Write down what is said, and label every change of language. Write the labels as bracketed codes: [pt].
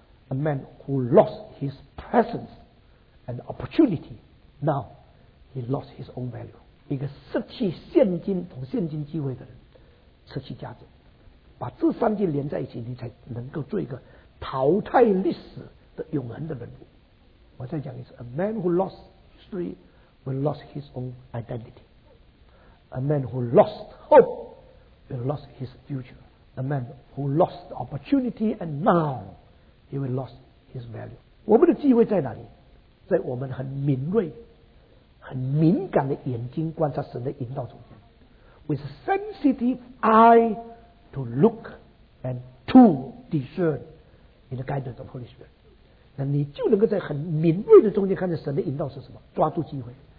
[en] A man who lost his presence and opportunity now he lost his own value， [zh] 一个失去现今和现今机会的人失去价值。把这三句连在一起，你才能够做一个淘汰历史的永恒的人物。我再讲一次， [en] A man who lost history will lost his own identity， A man who lost hope will lost his future， A man who lost the opportunity and now he will lost his value。 [zh] 我们的机会在哪里？在我们很敏锐很敏感的眼睛观察神的引导中间。 [en] With a sensitive eye to look and to discern in the guidance of Holy Spirit， [zh] 那你就能够在很敏锐的中间看见神的引导是什么，抓住机会。